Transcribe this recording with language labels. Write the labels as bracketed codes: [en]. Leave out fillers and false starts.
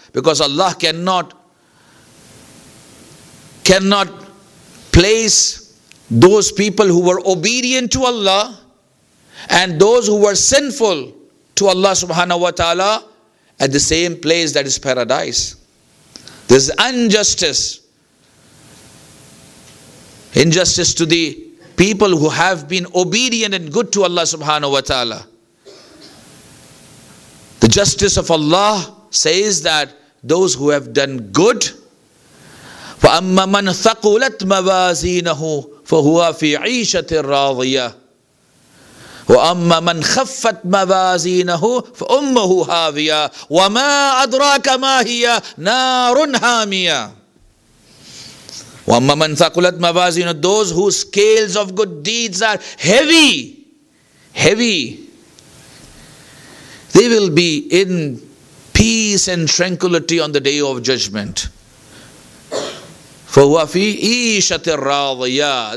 [en] Because Allah cannot place those people who were obedient to Allah and those who were sinful to Allah subhanahu wa ta'ala at the same place, that is paradise. This is injustice. Injustice to the people who have been obedient and good to Allah subhanahu wa ta'ala. The justice of Allah says that those who have done good, [ar] فَأَمَّا مَنْ ثَقُلَتْ مَوَازِينَهُ فَهُوَ فِي عِيشَةٍ رَاضِيَةٍ وَأَمَّا مَنْ خَفَّتْ مَوَازِينَهُ فَأُمَّهُ هَاوِيَةٌ وَمَا أَدْرَاكَ مَا هِيَ نَارٌ هَامِيَةٌ. وَأَمَّا مَنْ ثَقُلَتْ مَوَازِينُ. [en] Those whose scales of good deeds are heavy, heavy, they will be in peace and tranquility on the day of judgment. [ar] فَهُوَ فِي إِيشَةِ الرَّاضِيَةِ.